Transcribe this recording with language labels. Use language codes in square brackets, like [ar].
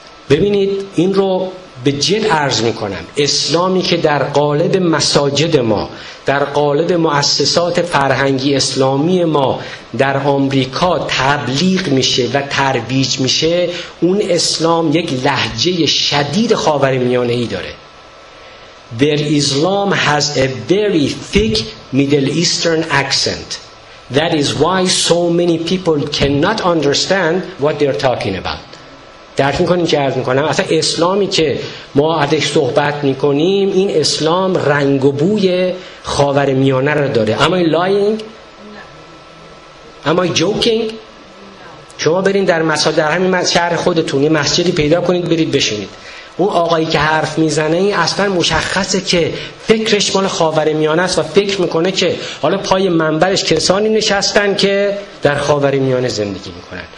[fa] ببینید این رو به جد عرض می کنم، اسلامی که در قالب مساجد ما، در قالب مؤسسات فرهنگی اسلامی ما در آمریکا تبلیغ میشه و ترویج میشه، اون اسلام یک لهجه شدید خاورمیانه‌ای داره. [en] Their Islam has a very thick Middle Eastern accent. That is why so many people cannot understand what they are talking about. [fa] درک میکنین چه عرض میکنم؟ اصلا اسلامی که ما ازش صحبت میکنیم، این اسلام رنگ و بوی خاورمیانه رو داره. [en] Am I lying? Am I joking? [fa] شما برین در مساجد در همین شهر خودتون یه مسجدی پیدا کنید، برید بشینید، اون آقایی که حرف میزنه این اصلا مشخصه که فکرش مال خاورمیانه است و فکر میکنه که حالا پای منبرش کسانی نشستن که در خاورمیانه زندگی میکنن.